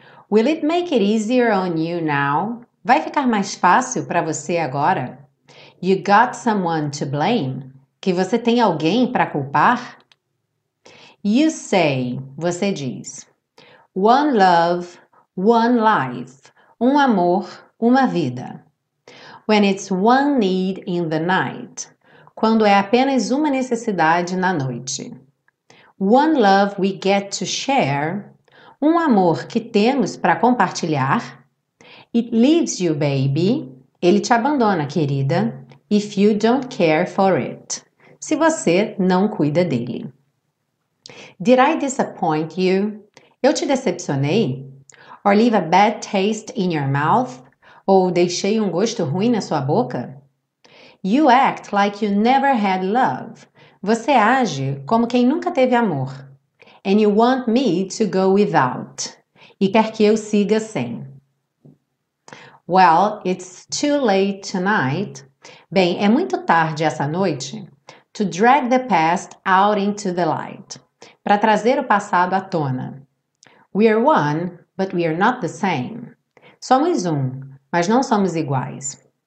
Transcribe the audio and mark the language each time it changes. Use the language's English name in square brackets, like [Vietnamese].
[English] Will it make it easier on you now? [Portuguese] Vai ficar mais fácil para você agora? [English] You got someone to blame? [Portuguese] Que você tem alguém para culpar? [English] You say, [Portuguese] você diz: [English] One love, one life. [Portuguese] Um amor, Uma vida. [English] When it's one need in the night. [Portuguese] Quando é apenas uma necessidade na noite. [English] One love we get to share. [Portuguese] Um amor que temos para compartilhar. [English] It leaves you, baby. [Portuguese] Ele te abandona, querida. [English] If you don't care for it. [Portuguese] Se você não cuida dele. [English] Did I disappoint you? [Portuguese] Eu te decepcionei? [English] Or leave a bad taste in your mouth? [Portuguese] Ou deixei um gosto ruim na sua boca? [English] You act like you never had love. [Portuguese] Você age como quem nunca teve amor. [English] And you want me to go without. [Portuguese] E quer que eu siga sem. [English] Well, it's too late tonight. [Portuguese] Bem, é muito tarde essa noite. [English] To drag the past out into the light. [Portuguese] Para trazer o passado à tona. [English] We are one, but we are not the same. [Portuguese] Somos um, mas não somos iguais.